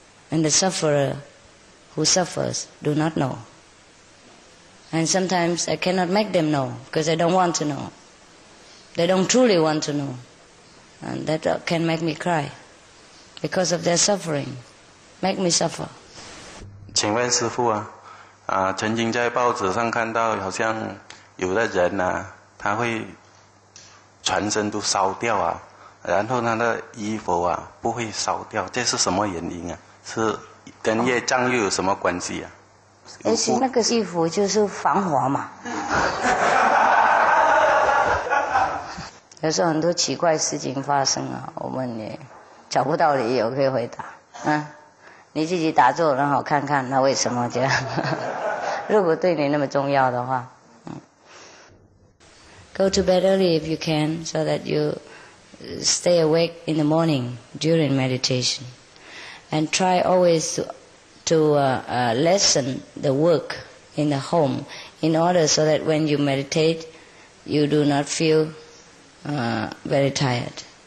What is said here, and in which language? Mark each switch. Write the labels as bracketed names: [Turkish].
[English] And the sufferer who suffers do not know. And sometimes I cannot make them know because they don't want to know. They don't truly want to know. And that can make me cry because of their suffering. Make me suffer. [Chinese] 请问师父啊，曾经在报纸上看到好像有的人啊，他会全身都烧掉啊，然后他的衣服啊不会烧掉，这是什么原因啊？是跟业障又有什么关系啊？而且那个衣服就是防火嘛。有时候很多奇怪事情发生啊，我们也找不到理由可以回答。嗯，你自己打坐，然后看看那为什么这样。如果对你那么重要的话， [English] 嗯 ，Go to bed early if you can, so that you stay awake in the morning during meditation, and try always to lessen the work in the home, in order so that when you meditate, you do not feel very tired.